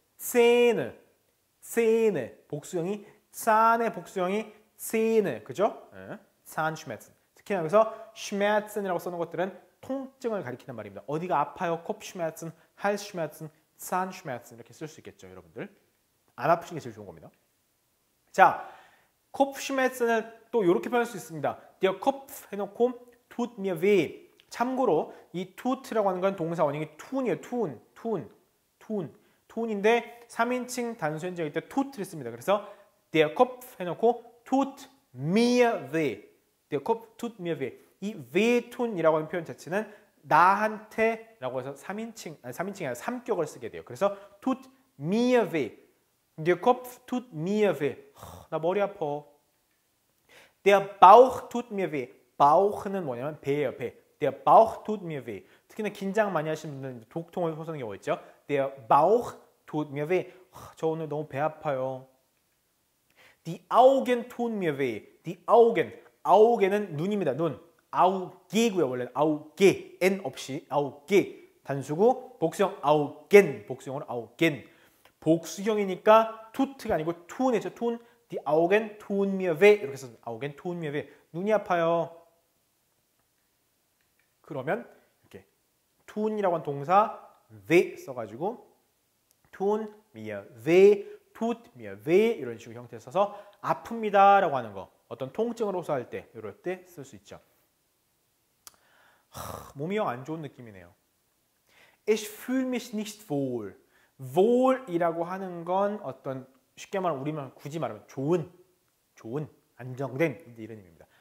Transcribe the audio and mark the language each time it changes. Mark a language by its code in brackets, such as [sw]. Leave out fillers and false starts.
[ko] 센을, 센을. 복수형이 산의 복수형이 센을. 그죠? 산 네. 슈메르츠. 특히나 여기서 슈메르츠라고 써놓은 것들은 통증을 가리키는 말입니다. 어디가 아파요? 코프 슈메르츠, 할스 슈메르츠, 산 슈메르츠 이렇게 쓸 수 있겠죠, 여러분들. 안 아프신 게 제일 좋은 겁니다. 자, 코프 슈메르츠는 또 이렇게 표현할 수 있습니다. [de] Der Kopf 해놓고 tut mir weh. [ko] 참고로 이 tut라고 하는 건 동사 원형이 tun이에요. tun, tun, tun, tun인데 3인칭 단수 현재일 때 tut를 씁니다. [de] 그래서 Der Kopf 해놓고 tut mir weh. Der Kopf tut mir weh. [ko] 이 외톤이라고 하는 표현 자체는 나한테 라고 해서 3인칭, 아니 3인칭이 아니라 3격을 쓰게 돼요. [de] 그래서 tut mir weh. Der Kopf tut mir weh. [ko] 나 머리 아파. [de] Der Bauch tut mir weh. [ko] Bauch는 뭐냐면 배예요. 배. [de] Der Bauch tut mir weh. [ko] 특히나 긴장 많이 하시는 분들은 독통을 호소하는 경우 있죠. [de] Der Bauch tut mir weh. [ko] 저 오늘 너무 배 아파요. [de] Die Augen tun mir weh. Die Augen. [ko] Augen은 눈입니다. 눈. 아우게고요. 원래는 아우게. N 없이 아우게. 단수고 복수형 아우겐. 복수형으로 아우겐. 복수형이니까 tut가 아니고 tun이죠. [de] tun. Die Augen tun mir weh. [ko] 이렇게 써서 [de] Augen tun mir weh. [ko] 눈이 아파요. 그러면 이렇게 tun이라고 한 동사 weh 써가지고 tun mir weh, tut mir weh 이런 식으로 형태 써서 아픕니다 라고 하는 거. 어떤 통증을 호소할 때 이럴 때 쓸 수 있죠. 몸이 영 안 좋은 느낌이네요. [de] Ich fühle mich nicht wohl. [ko] Wohl이라고 하는 건 어떤 쉽게 말하면 우리만 굳이 말하면 좋은, 좋은, 안정된 이런 의미입니다.